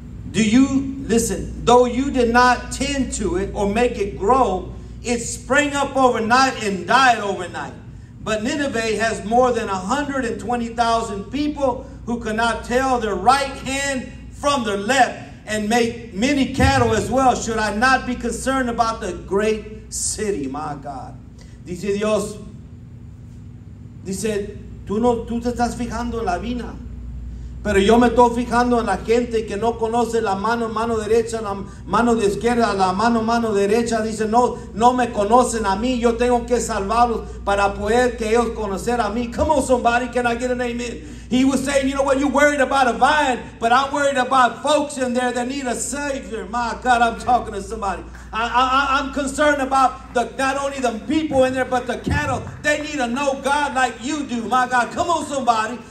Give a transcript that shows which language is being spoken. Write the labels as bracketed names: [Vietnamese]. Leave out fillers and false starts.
[English] Do you, listen, though you did not tend to it or make it grow, it sprang up overnight and died overnight. But Nineveh has more than 120,000 people who cannot tell their right hand from their left, and make many cattle as well. Should I not be concerned about the great city, my God? [Spanish] Dice Dios, dice, tú te estás fijando en la vina, pero yo me estoy fijando en la gente que no conoce la mano derecha, la mano de izquierda, la mano derecha. Dice, no me conocen a mí, yo tengo que salvarlos para poder que ellos conocer a mí. [English] Come on, somebody, can I get an amen? He was saying, you know what, you're worried about a vine, but I'm worried about folks in there that need a savior. My God, I'm talking to somebody. I'm concerned about not only the people in there, but the cattle. They need to know God like you do. My God, come on, somebody.